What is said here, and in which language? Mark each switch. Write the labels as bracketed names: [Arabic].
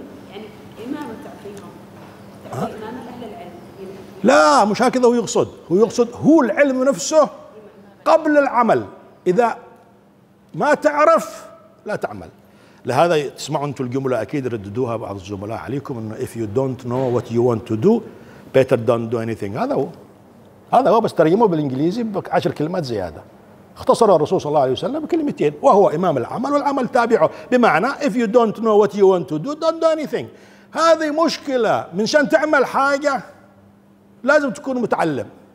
[Arabic] يعني إمامة تعطيهم إمامة أهل العلم. لا مش هكذا هو يقصد، هو يقصد هو العلم نفسه قبل العمل. إذا ما تعرف لا تعمل. لهذا تسمعوا أنتم الجملة أكيد رددوها بعض الزملاء عليكم إنه [English] if you don't know what you want to do better don't do anything. [Arabic] هذا هو بس ترجمه بالإنجليزي بعشر كلمات زيادة. اختصر الرسول صلى الله عليه وسلم بكلمتين وهو إمام العمل والعمل تابعه، بمعنى [English] if you don't know what you want to do don't do anything. [Arabic] هذه مشكلة، من شان تعمل حاجة لازم تكون متعلم.